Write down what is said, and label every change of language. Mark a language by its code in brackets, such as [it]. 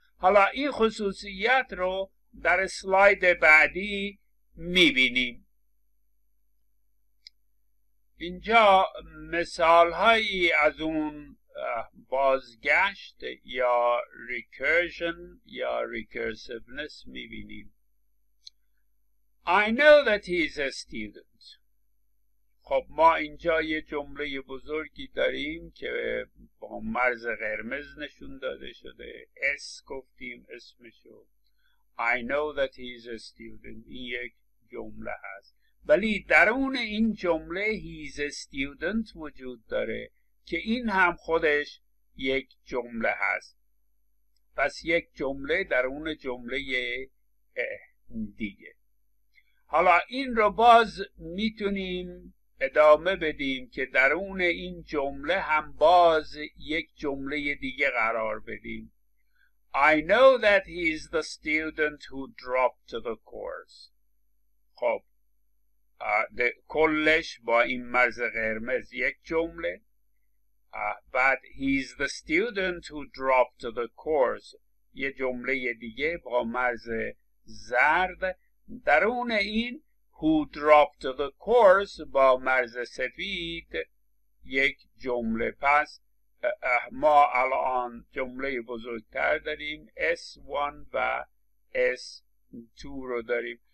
[fa] حالا این خصوصیت رو در سلاید بعدی میبینیم. اینجا مثال هایی از اون بازگشت یا recursion یا recursiveness میبینیم. [en] I know that he is a student. [fa] خب ما اینجا یه جمله بزرگی داریم که با مرز قرمز نشون داده شده، S گفتیم اسمشو. [en] I know that he is a student [fa] این یک جمله هست، ولی درون این جمله [en] he is a student [fa] وجود داره که این هم خودش یک جمله هست، پس یک جمله درون جمله دیگه. حالا این رو باز میتونیم ادامه بدیم که درون این جمله هم باز یک جمله دیگه قرار بدیم. [en] I know that he is the student who dropped the course. [fa] خب کلش با این مرز قرمز یک جمله. [en] But he is the student who dropped the course. [fa] یه جمله دیگه با مرز زرد. درون این [en] who dropped the course [fa] با مرز سفید یک جمله. پس ما الان جمله بزرگتر داریم، S1 و S2 رو داریم.